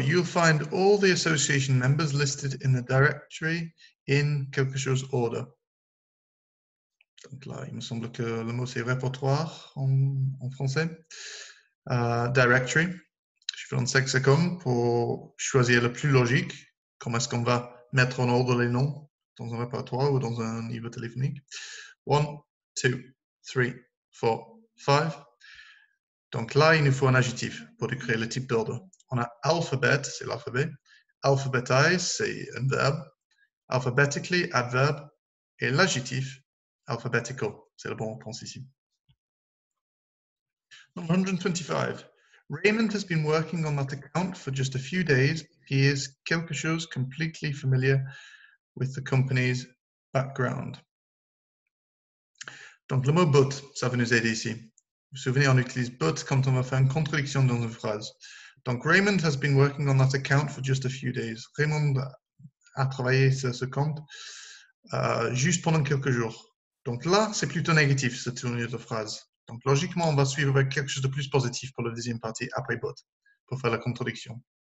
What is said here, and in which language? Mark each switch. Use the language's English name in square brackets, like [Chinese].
[English] You'll find all the association members listed in the directory in [French] quelque chose [English] order. [French] Donc là, il me semble que le mot c'est répertoire en français. Directory. Je vais prendre 5 secondes pour choisir le plus logique. Comment est-ce qu'on va mettre en ordre les noms dans un répertoire ou dans un niveau téléphonique? 1, 2, 3, 4, 5. Donc là, il nous faut un adjectif pour décrire le type d'ordre. On a alphabet, c'est l'alphabet. Alphabetize, c'est un verbe. Alphabetically, adverb. Et l'adjectif, alphabetical, c'est le bon réponse ici. 125. [English] Raymond has been working on that account for just a few days. He is [French] quelque chose [English] completely familiar with the company's background. [French] Donc le mot but, ça va nous aider ici. Vous vous souvenez, on utilise but quand on va faire une contradiction dans une phrase. [English] Donc, Raymond has been working on that account for just a few days. [French] Raymond a travaillé sur ce compte juste pendant quelques jours. Donc là, c'est plutôt négatif, cette tournure de phrase. Donc logiquement, on va suivre avec quelque chose de plus positif pour la deuxième partie, après bot, pour faire la contradiction.